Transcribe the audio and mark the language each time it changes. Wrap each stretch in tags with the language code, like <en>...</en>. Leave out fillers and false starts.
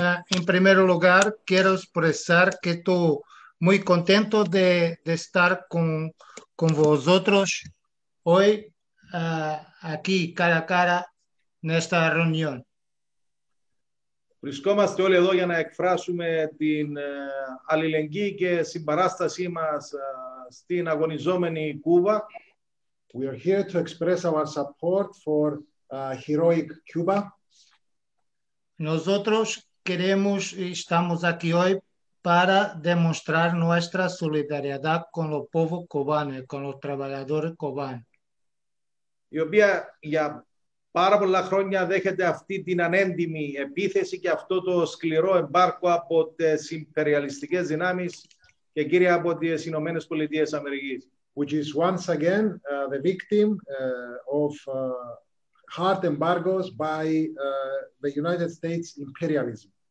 <es>En primer lugar, quiero expresar que estoy muy contento de estar con vosotros hoy, aquí, cara a cara,</es> <pt>nesta reunião.</pt> <el>Βρισκόμαστε όλοι εδώ για να εκφράσουμε την αλληλεγγύη και συμπαράστασή μας στην αγωνιζόμενη Κούβα.</el> <en>We are here to express our support for heroic Cuba.</en> <es>Nosotros queremos y estamos aquí hoy para demostrar nuestra solidaridad con los pueblos cubanos, con los trabajadores cubanos.</es> <el>Η οποία για πάρα πολλά χρόνια δέχεται αυτή την ανέντιμη επίθεση και αυτό το σκληρό εμπάρκο από τις υπεριαλιστικές δυνάμεις και κύρια από τις Ηνωμένες Πολιτείες Αμερικής.</el> <en>Which is once again the victim of hard embargoes by the United States imperialism.</en>